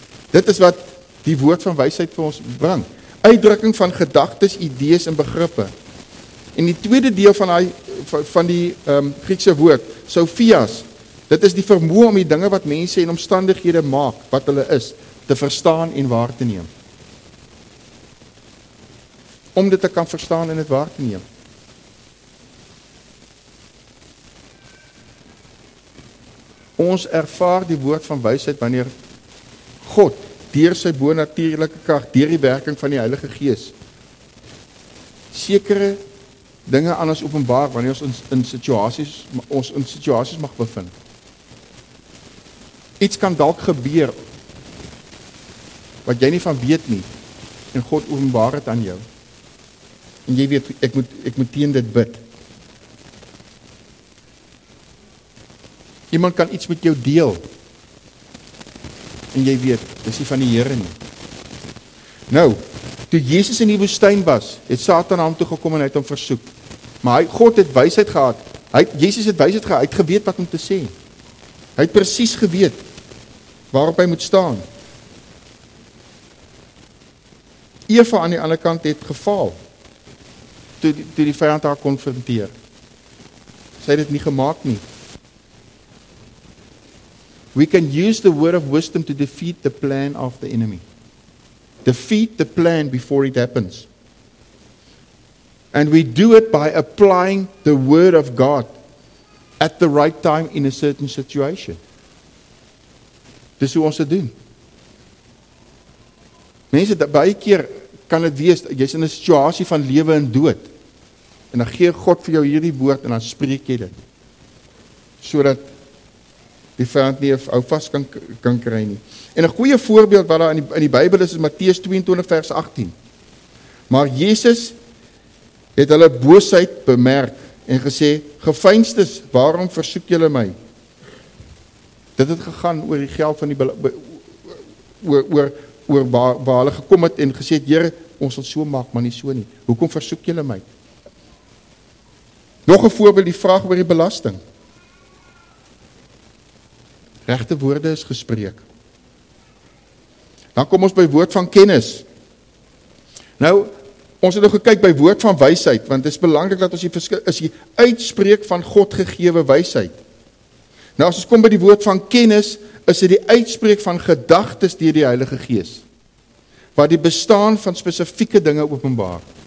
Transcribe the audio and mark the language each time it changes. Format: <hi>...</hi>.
<af>Dit is wat die woord van wysheid vir ons bring. Uitdrukking van gedagtes, idees en begrippe. En die tweede deel van die Griekse woord, Sophias, dit is die vermoë om die dinge wat mense en omstandighede maak, wat hulle is, te verstaan en waar te neem. om dit te kan verstaan en het waar te neem. Ons ervaar die woord van wysheid wanneer God deur sy bonatuurlijke kracht, deur die werking van die Heilige Gees, sekere dinge aan ons openbaar, wanneer ons in situasies mag bevind. Iets kan dalk gebeur, wat jy nie van weet nie, en God openbaar het aan jou. En jy weet, ek moet teen dit bid. Iemand kan iets met jou deel, en jy weet, dis nie van die Here nie. Nou, toe Jesus in die woestyn was, het Satan aan hom toe gekom en het hom versoek. Maar God het wysheid gehad, Jesus het wysheid gehad, hy het geweet wat om te sê. Hy het precies geweet waarop hy moet staan. Eva aan die ander kant het gefaal, toe die vijand haar konfronteer. Sy het dit nie gemaak nie.</af> <en>We can use the word of wisdom to defeat the plan of the enemy. Defeat the plan before it happens. And we do it by applying the word of God at the right time in a certain situation.</en> <af>Dis hoe ons dit doen. Mense, baie keer kan het wees, jy's in 'n situasie van lewe en dood. En dan gee God vir jou hierdie woord en dan spreek jy dit. Sodat die vijand nie hou vast kan kry nie. En een goeie voorbeeld wat daar in die Bybel is Matteus 22 vers 18. Maar Jesus het hulle boosheid bemerk en gesê, geveinstes, waarom versoek julle my? Dit het gegaan oor die geld van die oor waar hulle gekom het en gesê, Here, ons sal so maak, maar nie so nie. Hoekom versoek julle my? Nog een voorbeeld, die vraag oor die belasting. Regte woorde is gespreek. Dan kom ons by woord van kennis. Nou, ons het nog gekyk by woord van wysheid, want het is belangrijk dat ons die uitspreek van God gegewe wysheid. Nou, as ons kom by die woord van kennis, is dit die uitspreek van gedagtes deur die Heilige Gees, waar die bestaan van spesifieke dinge openbaar.</af>